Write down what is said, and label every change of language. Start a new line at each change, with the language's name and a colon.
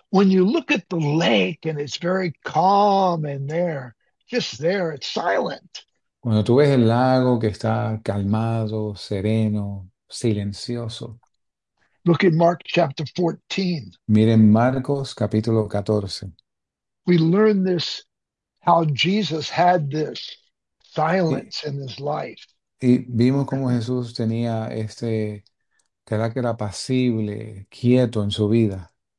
English: When you look at the lake and it's very calm in there, just there, it's silent.
Spanish: Cuando tú ves el lago que está calmado, sereno, silencioso,
English: Look at Mark chapter 14.
Spanish: miren Marcos capítulo 14.
English: We learn this, how Jesus had this silence in his life.
Spanish: Y vimos cómo Jesús tenía este carácter apacible, quieto en su vida.